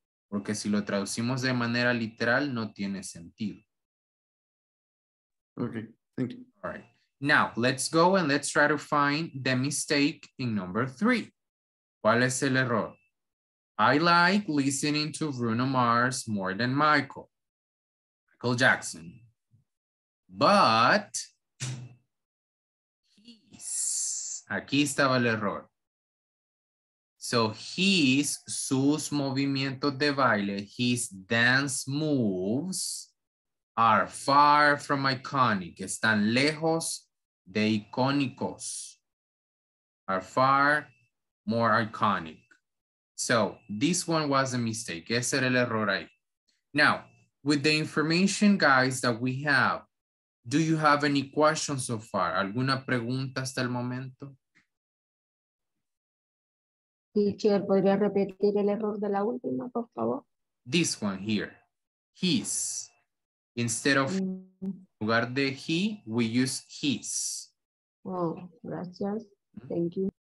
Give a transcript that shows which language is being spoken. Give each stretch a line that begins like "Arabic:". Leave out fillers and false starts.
Spanish: Porque si lo traducimos de manera literal, no tiene sentido.
English: Okay, thank you. All right. Now, let's go and let's try to find the mistake in number three.
Spanish: ¿Cuál es el error?
English: I like listening to Bruno Mars more than Michael Jackson.
Spanish: But, his, aquí estaba el error.
English: So, his,
Spanish: sus movimientos de baile,
English: his dance moves are far from iconic.
Spanish: Están lejos de icónicos.
English: Are far more iconic. So, this one was a mistake.
Spanish: Ese era el error ahí.
English: Now, with the information, guys, that we have, do you have any questions so far?
Spanish: ¿Alguna pregunta hasta el momento? Teacher, ¿podría repetir el error de la última, por favor?
English: This one here. His. Instead of
Spanish: lugar de
English: he, we use his. Oh, gracias. Thank you.